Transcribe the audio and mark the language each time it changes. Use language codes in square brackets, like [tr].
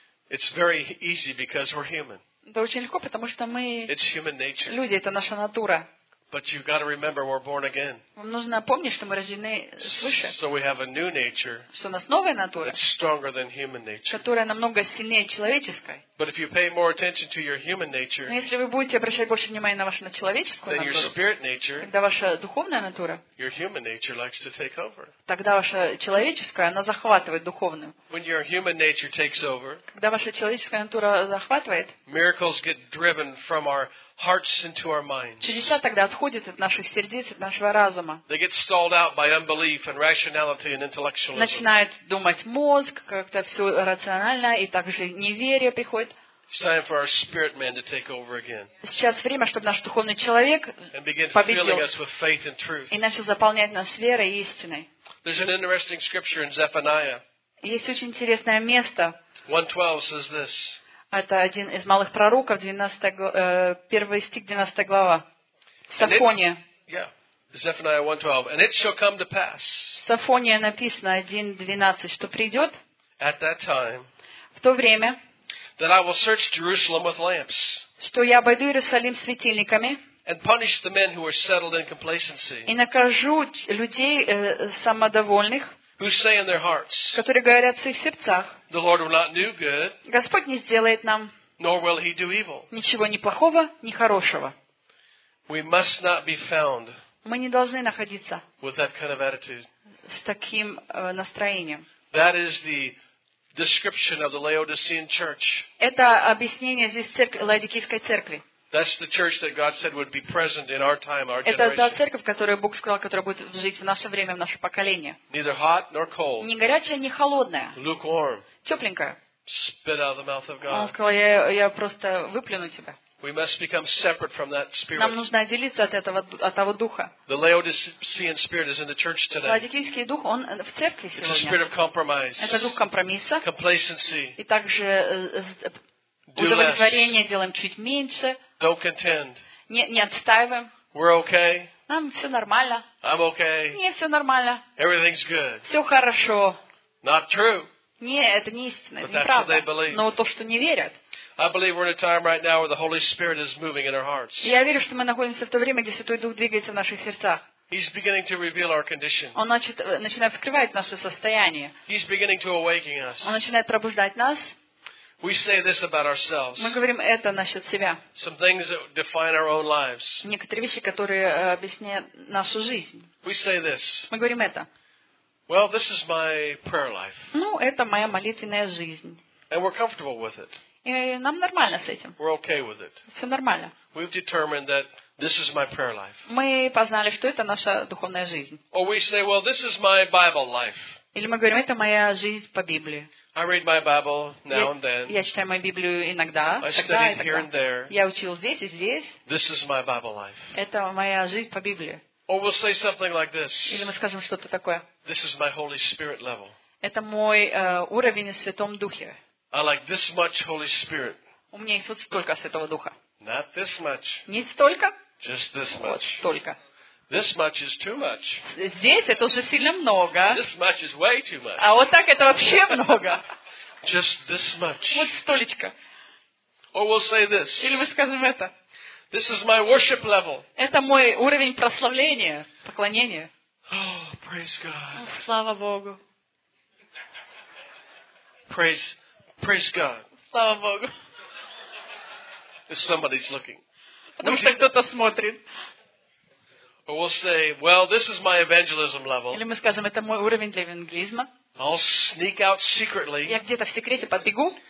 [en] It's very easy because we're human. [ru] Это очень легко, потому что мы люди, это наша натура. Вам нужно помнить, что мы рождены свыше. [en] So we have a new nature, [ru] что у нас новая натура, [en] that's stronger than human nature. [ru] Которая намного сильнее человеческой. [en] But if you pay more attention to your human nature, [ru] но если вы будете обращать больше внимания на вашу человеческую [en] then [ru] натуру, [en] your spirit nature, [ru] тогда ваша духовная натура, [en] your human nature likes to take over. [ru] Тогда ваша человеческая, она захватывает духовную. [en] When your human nature takes over, [ru] когда ваша человеческая натура захватывает, [en] miracles get driven from our hearts into our minds. [ru] Чудеса тогда отходят от наших сердец, от нашего разума. [en] They get stalled out by unbelief and rationality and intellectualism. [ru] Начинает думать мозг, как-то все рационально, и также неверие приходит. [en] It's time for our spirit man to take over again. [ru] Сейчас время, чтобы наш духовный человек победил. [en] Filling us with faith and truth. [ru] И начал заполнять нас верой и истиной. [en] There's an interesting scripture in Zephaniah. [ru] Есть очень интересное место. [en] 1:12 says this. [ru] Это один из малых пророков, 1 стих, 12 глава. Сафония. [en] Yeah. Zephaniah 1:12. And it shall come to pass. [ru] Сафония написано 1:12, что придет. [en] At that time. [ru] В то время. [en] That I will search Jerusalem with lamps. [ru] Что я обойду Иерусалим светильниками. [en] And punish the men who are settled in complacency. [ru] И накажу людей самодовольных. [en] Who say in their hearts? [ru] Которые говорят в своих сердцах. [en] The Lord will not do good. [ru] Господь не сделает нам. [en] Nor will He do evil. [ru] Ничего ни плохого, ни хорошего. [en] We must not be found. [ru] Мы не должны находиться. [en] With that kind of attitude. [ru] С таким настроением. [en] That is the description of the Laodicean church. [ru] Это объяснение здесь Лаодикийской церкви. [en] That's the church that God said would be present in our time, our generation. [ru] Это та церковь, которую Бог сказал, которая будет жить в наше время, в наше поколение. [en] Neither hot nor cold. [ru] Не горячая, не холодная. [en] Lukewarm. [ru] Тепленькая. [en] Spit out of the mouth of God. [ru] Он сказал, я просто выплюну тебя. [en] We must become separate from that spirit. [ru] Нам нужно отделиться от этого, от того духа. [en] The Laodicean spirit is in the church today. [ru] Лаодикийский дух, он в церкви сегодня. [en] It's a spirit of compromise. [ru] Это дух компромисса. [en] Complacency. [ru] И также удовлетворение делаем чуть меньше. [en] Don't contend. [ru] Не отстаиваем. [en] We're okay. [ru] Нам все нормально. [en] I'm okay. [ru] Не, все нормально. [en] Everything's good. [ru] Все хорошо. [en] Not true. [ru] Не, это не истина, это неправда. Но то, что не верят. [en] I believe we're in a time right now where the Holy Spirit is moving in our hearts. [ru] Я верю, что мы находимся в то время, где Святой Дух двигается в наших сердцах. [en] He's beginning to reveal our condition. [ru] Он начинает открывать наше состояние. [en] He's beginning to awaken us. [ru] Он начинает пробуждать нас. [en] We say this about ourselves. [ru] Мы говорим это насчет себя. [en] Some things that define our own lives. [ru] Некоторые вещи, которые объясняют нашу жизнь. [en] We say this. [ru] Мы говорим это. [en] Well, this is my prayer life. [ru] Ну, это моя молитвенная жизнь. [en] And we're comfortable with it. [ru] И нам нормально с этим. [en] We're okay with it. [ru] Все нормально. [en] We've determined that this is my prayer life. [ru] Мы познали, что это наша духовная жизнь. [en] Or we say, well, this is my Bible life. [ru] Или мы говорим, это моя жизнь по Библии. [en] I read my Bible now and then. [ru] Я читаю мою Библию иногда. [en] I studied here and there. [ru] Я учил здесь и здесь. [en] This is my Bible life. [ru] Это моя жизнь по Библии. [en] Or we'll say something like this. [ru] Или мы скажем что-то такое. [en] This is my Holy Spirit level. [ru] Это мой уровень в Святом Духе. [en] I like this much Holy Spirit. [ru] У меня есть вот столько Святого Духа. [en] Not this much. [ru] Не столько. [en] Just this much. [ru] Вот столько. [en] This much is too much. [ru] Здесь это уже сильно много. [en] This much is way too much. [ru] А вот так это вообще много. [en] Just this much. [ru] Вот столечко. [en] Or we'll say this. [ru] Или мы скажем это. [en] This is my worship level. [ru] Это мой уровень прославления, поклонения. [en] Oh, praise God. [ru] Слава Богу. [en] Praise God. [ru] Слава Богу. [en] If somebody's looking. [ru] Потому что кто-то смотрит. [en] Or we'll say, well, this is my evangelism level. [ru] Или мы скажем, это мой уровень для евангелизма. [en] I'll sneak out secretly. [ru] Я где-то в секрете подбегу.